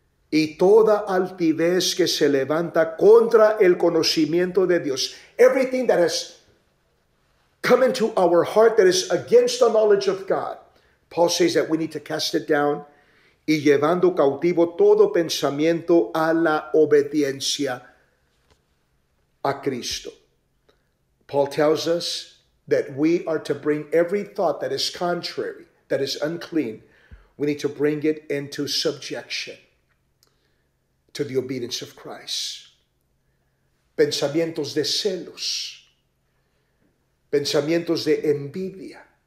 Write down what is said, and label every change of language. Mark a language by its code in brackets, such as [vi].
[es] Y toda altivez que se levanta contra el conocimiento de Dios. [en] Everything that has come into our heart that is against the knowledge of God. Paul says that we need to cast it down. [es] Y llevando cautivo todo pensamiento a la obediencia a Cristo. [en] Paul tells us that we are to bring every thought that is contrary, that is unclean. We need to bring it into subjection. To the obedience of Christ. [es] Pensamientos de celos. Pensamientos de envidia.